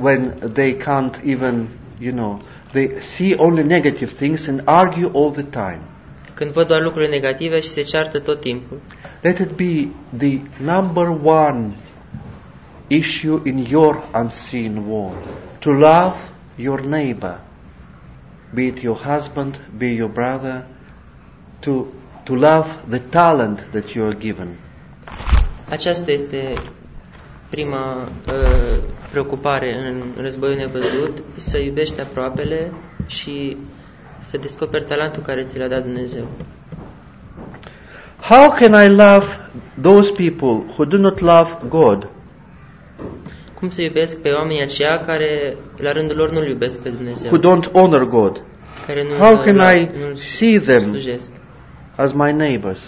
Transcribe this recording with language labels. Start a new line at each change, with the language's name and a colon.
English: When they can't even, you know, they see only negative things and argue all the time.
Romanian: Când văd doar lucruri negative și se ceartă tot timpul.
English: Let it be the number one issue in your unseen war. To love your neighbor, be it your husband, be it your brother, to love the talent that you are given.
Romanian: Aceasta este prima preocupare în războiul nevăzut, să iubești aproapele și să descoperi talentul care ți l-a dat Dumnezeu.
English: How can I love those people who do not love God?
Romanian: Cum să iubesc pe oamenii aceia care la rândul lor nu-l iubesc pe Dumnezeu?
English: Who don't honor God?
Romanian: Care nu.
English: How can I see them as my neighbors?